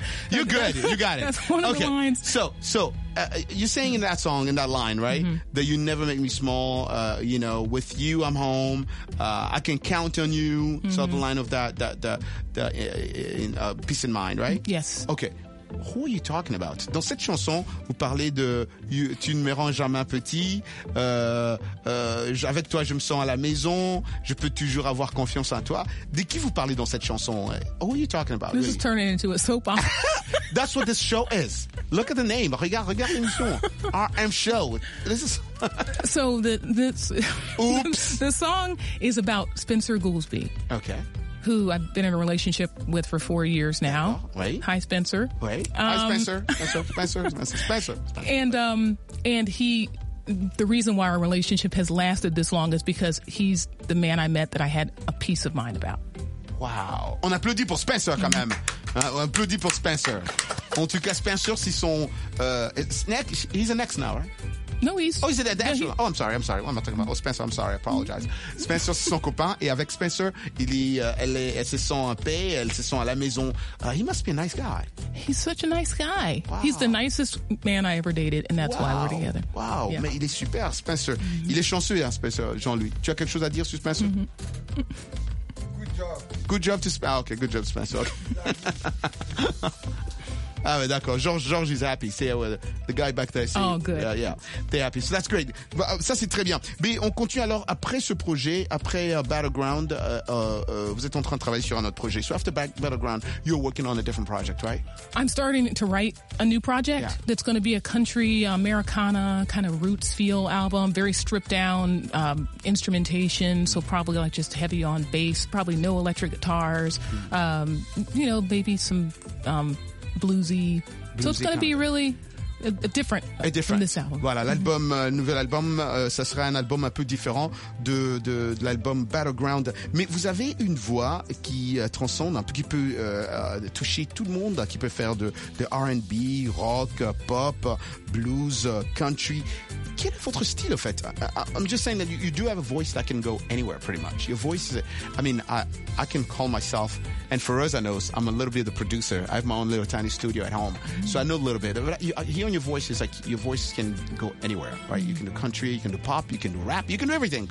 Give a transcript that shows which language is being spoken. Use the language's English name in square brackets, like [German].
[English] You're good. You got it. That's one of the lines. So you're saying in that song, in that line, right, that you never make me small, you know, with you I'm home, I can count on you. So the line of that peace in mind, right? Yes. Okay. Who are you talking about? [French] Dans cette chanson, vous parlez de « Tu ne me rends jamais petit »,« Avec toi, je me sens à la maison »,« Je peux toujours avoir confiance en toi ». De qui vous parlez dans cette chanson? [English] Who are you talking about? This is turning into a soap opera. That's what this show is. Look at the name. [French] Regarde l'émission. [English] RM Show. This is... So this... Oops. The song is about Spencer Goolsbee. Okay. Who I've been in a relationship with for 4 years now. Oh, wait. Hi, Spencer. Wait. Hi, Spencer. And he, the reason why our relationship has lasted this long is because he's the man I met that I had a peace of mind about. [French] Wow. On applaudit pour Spencer quand même. On applaudit pour Spencer. En tout cas, Spencer, c'est son, [English] he's an ex now, right? No, he's... Oh, is it that? Oh, I'm sorry. What am I talking about? Oh, Spencer, I'm sorry. I apologize. [French] Spencer, c'est son copain. Et avec Spencer, elle se sent en paix. Elle se sent à la maison. [English] He must be a nice guy. He's such a nice guy. Wow. He's the nicest man I ever dated, and that's why we're together. [French] Wow. Yeah. Mais il est super, Spencer. Mm-hmm. Il est chanceux, hein, Spencer, Jean-Louis. Tu as quelque chose à dire sur Spencer? [English] Mm-hmm. Good job. Good job to Spencer. Okay, good job, Spencer. Okay. [French] Ah, mais d'accord. [English] George is happy. See, the guy back there. See. Oh, good. Yeah, yeah. They're happy. So that's great. [French] Ça, c'est très bien. Mais on continue alors après ce projet, après Battleground. Vous êtes en train de travailler sur un autre projet. [English] So after Battleground, you're working on a different project, right? I'm starting to write a new project that's going to be a country Americana kind of roots feel album. Very stripped down instrumentation. So probably like just heavy on bass. Probably no electric guitars. You know, maybe some... Bluesy. So it's going to be really different from this album. [French] Voilà, l'album, nouvel album, ça sera un album un peu différent de l'album Battleground. Mais vous avez une voix qui transcende, un peu, qui peut toucher tout le monde, qui peut faire de R&B, rock, pop, blues, country. Quel est votre style, au fait? [English] I'm just saying that you do have a voice that can go anywhere, pretty much. Your voice is, I mean, I can call myself, and for us, I know, I'm a little bit of the producer. I have my own little tiny studio at home, so I know a little bit. But hearing your voice is like, your voice can go anywhere, right? You can do country, you can do pop, you can do rap, you can do everything.